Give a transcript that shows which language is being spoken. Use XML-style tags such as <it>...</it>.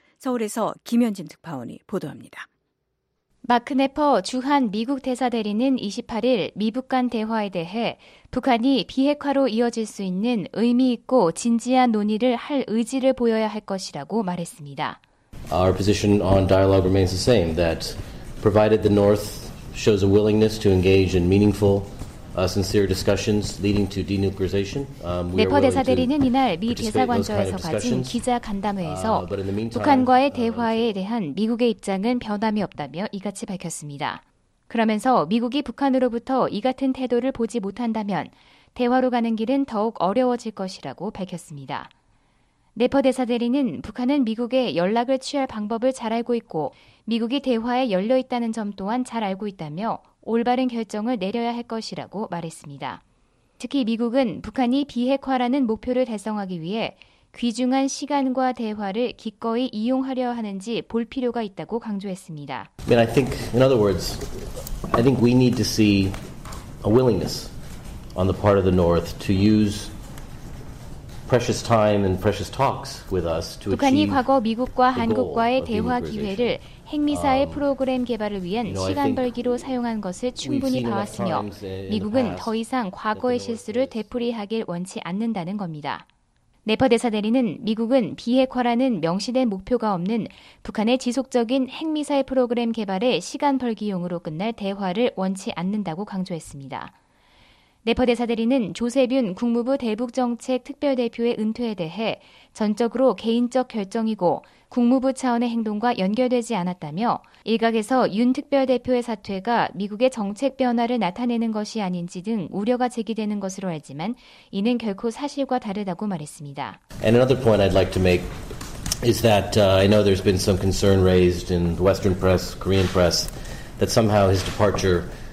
<ko>서울에서 김현진 특파원이 보도합니다. 마크네퍼 주한 미국 대사 대리는 28일 미북 간 대화에 대해 북한이 비핵화로 이어질 수 있는 의미 있고 진지한 논의를 할 의지를 보여야 할 것이라고 말했습니다.</ko> <en>Our position on dialogue remains the same, that provided the North shows a willingness to engage in meaningful sincere discussions leading to denuclearization.</en> <ko>네퍼 대사 대리는 이날 미 대사관저에서 가진 기자 간담회에서 북한과의 대화에 대한 미국의 입장은 변함이 없다며 이같이 밝혔습니다. 그러면서 미국이 북한으로부터 이 같은 태도를 보지 못한다면 대화로 가는 길은 더욱 어려워질 것이라고 밝혔습니다. 네퍼 대사 대리는 북한은 미국에 연락을 취할 방법을 잘 알고 있고 미국이 대화에 열려 있다는 점 또한 잘 알고 있다며 올바른 결정을 내려야 할 것이라고 말했습니다. 특히 미국은 북한이 비핵화라는 목표를 달성하기 위해 귀중한 시간과 대화를 기꺼이 이용하려 하는지 볼 필요가 있다고 강조했습니다.</ko> <en>I mean, I think we need to see a willingness on the part of the North to use precious time and precious talks with us to achieve.</en> <ko>북한이 과거 미국과 한국과의 대화 기회를 핵미사일 프로그램 개발을 위한 시간 벌기로 사용한 것을 충분히 봐왔으며 미국은 더 이상 과거의 실수를 되풀이하길 원치 않는다는 겁니다. 네퍼 대사 대리는 미국은 비핵화라는 명시된 목표가 없는 북한의 지속적인 핵미사일 프로그램 개발의 시간 벌기용으로 끝날 대화를 원치 않는다고 강조했습니다. 네퍼 대사 대리는 조세빈 국무부 대북정책특별대표의 은퇴에 대해 전적으로 개인적 결정이고 국무부 차원의 행동과 연결되지 않았다며 일각에서 윤 특별대표의 사퇴가 미국의 정책 변화를 나타내는 것이 아닌지 등 우려가 제기되는 것으로 알지만 이는 결코 사실과 다르다고 말했습니다.</ko> <en>And another point I'd like to make is that I know there's been some concern raised in the Western press, Korean press, that somehow his departure</en>